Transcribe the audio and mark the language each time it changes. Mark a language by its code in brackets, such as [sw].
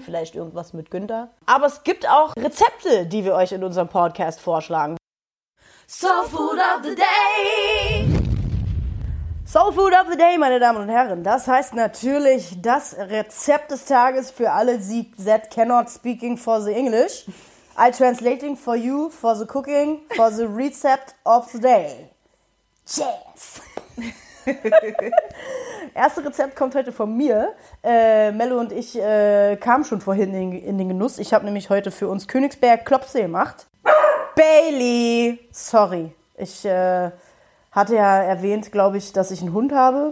[de] Vielleicht irgendwas mit Günther. Aber es gibt auch Rezepte, die wir euch in unserem Podcast vorschlagen. [en] Soulfood of the Day. Soul Food of the Day, [de] meine Damen und Herren. Das heißt natürlich das Rezept des Tages für alle, die [en] that cannot speaking for the English. I translating for you, for the cooking, for the recept of the day. Yes! [de] Erste Rezept kommt heute von mir. Mello und ich kamen schon vorhin in den Genuss. Ich habe nämlich heute für uns Königsberg Klopse gemacht. Bailey! Sorry, ich hatte ja erwähnt, glaube ich, dass ich einen Hund habe.